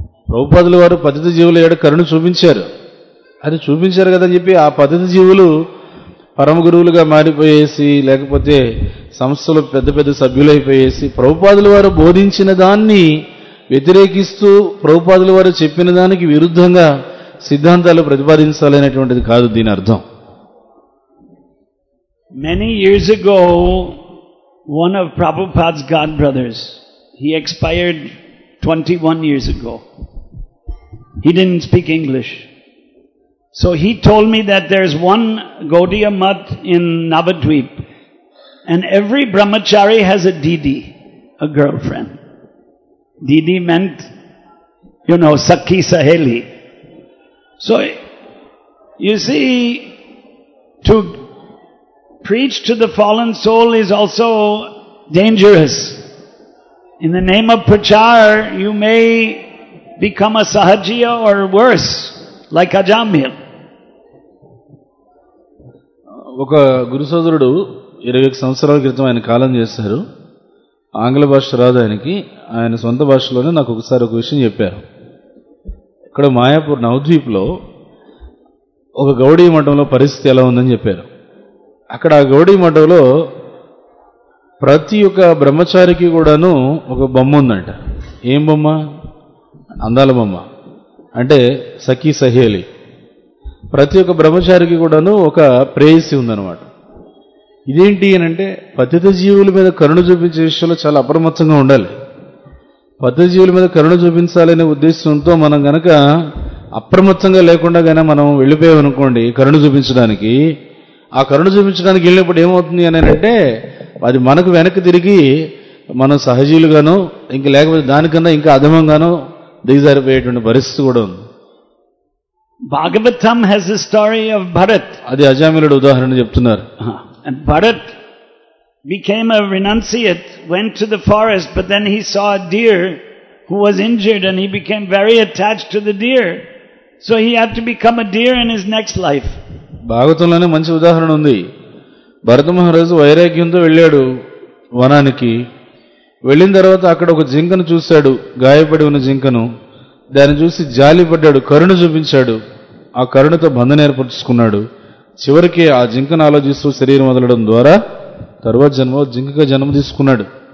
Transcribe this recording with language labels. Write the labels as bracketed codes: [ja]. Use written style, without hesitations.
[te] ప్రభుపాదుల వారు పతిత జీవుల ఏడ కరుణ చూపించారు, అది చూపించారు కదని చెప్పి ఆ పతిత జీవులు పరమ గురువులుగా మారిపోయేసి లేకపోతే సంస్థలు పెద్ద పెద్ద సభ్యులైపోయేసి ప్రభుపాదుల వారు బోధించిన దాన్ని వ్యతిరేకిస్తూ ప్రభుపాదుల వారు చెప్పిన దానికి విరుద్ధంగా సిద్ధాంతాలు ప్రతిపాదించాలనేటువంటిది కాదు దీని అర్థం. [en] Many years ago one of Prabhupad's god brothers he expired 21 years ago, he did speak English. So he told me that there is one Gaudiya Math in Navadvip, and every brahmachari has a didi, a girlfriend. Didi meant, you know, sakhi saheli. So you see, to preach to the fallen soul is also dangerous. In the name of prachar, you may become a sahajiya or worse, like Ajamil. [te] ఒక గురు సోదరుడు 21 సంవత్సరాల క్రితం ఆయన కాలం చేశారు. ఆంగ్ల భాష రాదు ఆయనకి, ఆయన సొంత భాషలోనే నాకు ఒకసారి ఒక విషయం చెప్పారు. ఇక్కడ మాయాపూర్ నవద్వీప్లో ఒక గౌడీ మఠంలో పరిస్థితి ఎలా ఉందని చెప్పారు. అక్కడ ఆ గౌడీ మఠంలో ప్రతి ఒక్క బ్రహ్మచారికి కూడాను ఒక బొమ్మ ఉందంట. ఏం బొమ్మ? అందాల బొమ్మ, అంటే సఖీ సహేలి. ప్రతి ఒక్క బ్రహ్మచారికి కూడాను ఒక ప్రేయసి ఉందన్నమాట. ఇదేంటి అని అంటే, పతిత జీవుల మీద కరుణ చూపించే విషయంలో చాలా అప్రమత్తంగా ఉండాలి. పతిత జీవుల మీద కరుణ చూపించాలనే ఉద్దేశంతో మనం గనక అప్రమత్తంగా లేకుండా గానే మనం వెళ్ళిపోయామనుకోండి కరుణ చూపించడానికి, ఆ కరుణ చూపించడానికి వెళ్ళినప్పుడు ఏమవుతుంది అని అంటే, అది మనకు వెనక్కి తిరిగి మనం సహజీవులుగానో ఇంక లేకపోతే దానికన్నా ఇంకా అధమంగానో దిగజారిపోయేటువంటి పరిస్థితి కూడా ఉంది. [en] Bhagavatam has a story of Bharat. [te] అది అజామిలుడు ఉదాహరణ చెప్తున్నారు. [en] And Bharat became a renunciate, went to the forest, but then he saw a deer who was injured and he became very attached to the deer. So he had to become a deer in his next life. [te] భాగవతంలోనే మంచి ఉదాహరణ ఉంది. భరత మహారాజు వైరాగ్యంతో వెళ్ళాడు వనానికి. వెళ్ళిన తర్వాత అక్కడ ఒక జింకను చూశాడు, గాయపడి ఉన్న జింకను. దాన్ని చూసి జాలిపడ్డాడు, కరుణ చూపించాడు. ఆ కరుణతో బంధం ఏర్పరచుకున్నాడు. చివరికి ఆ జింకను ఆలోచిస్తూ శరీరం వదలడం ద్వారా తర్వాత జన్మ జింకగా జన్మ తీసుకున్నాడు.